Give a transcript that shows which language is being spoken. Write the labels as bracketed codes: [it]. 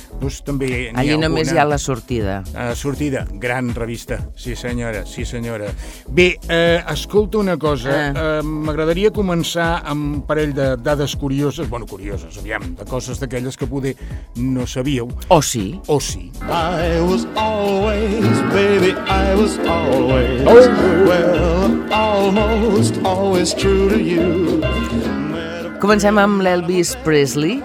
[ca] Doncs també n'hi ha alguna. Allí només hi ha la sortida. Sortida, gran revista. Sí, senyora, sí, senyora. Bé, escolta una cosa. M'agradaria començar amb un parell de dades curioses, curioses, aviam, de coses d'aquelles que poder no sabíeu. O sí. [en] I was always, baby, I was always, well, almost always true to you. [ca] Comencem amb l'Elvis Presley.